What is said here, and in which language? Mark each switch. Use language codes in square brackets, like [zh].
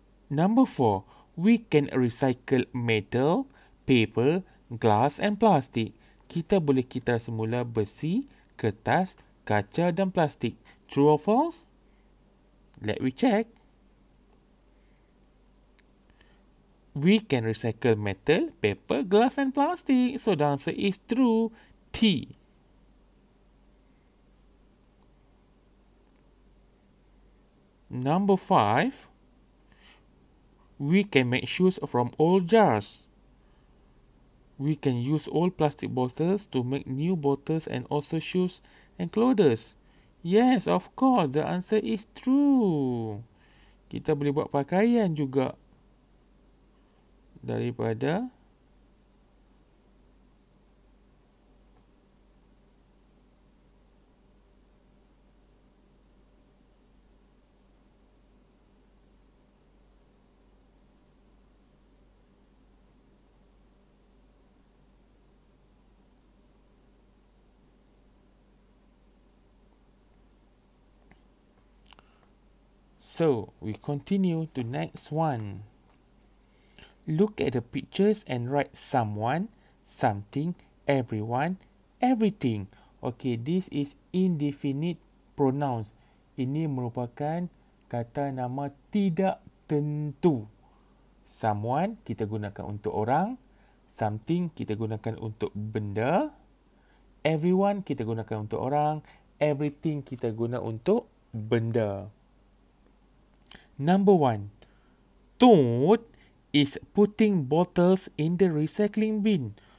[en] Number 4, we can recycle metal, paper, glass and plastic. [ms] Kita boleh kitar semula besi, kertas, kaca dan plastik. [en] True or false? Let me check. We can recycle metal, paper, glass and plastic. So the answer is true. T. Number 5, we can make shoes from old jars. We can use old plastic bottles to make new bottles and also shoes and clothes. Yes, of course. The answer is true. [ms] Kita boleh buat pakaian juga daripada [en] So, we continue to next one. Look at the pictures and write someone, something, everyone, everything. [ms] Okay, this is indefinite pronouns. Ini merupakan kata nama tidak tentu. Someone, kita gunakan untuk orang. Something, kita gunakan untuk benda. Everyone, kita gunakan untuk orang. Everything, kita guna untuk benda. [en] Number 1. Tote is putting bottles in the recycling bin.